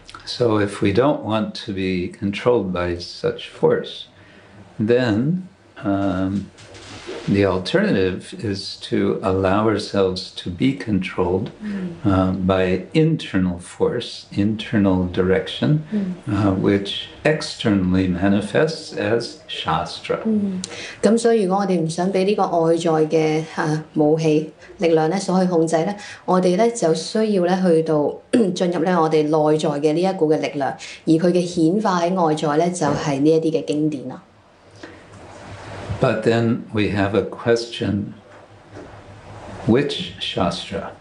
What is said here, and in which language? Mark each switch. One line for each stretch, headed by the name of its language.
English: So if we don't want to be controlled by such force, then The alternative is to allow ourselves to be controlled by internal force, internal direction, which externally manifests as shastra.
Chinese: 所以如果我們不想被這個外在的武器力量所控制，我們就需要去進入我們內在的這個力量，而它的顯化在外在就是這些經典。
English: But then we have a question, which shastra?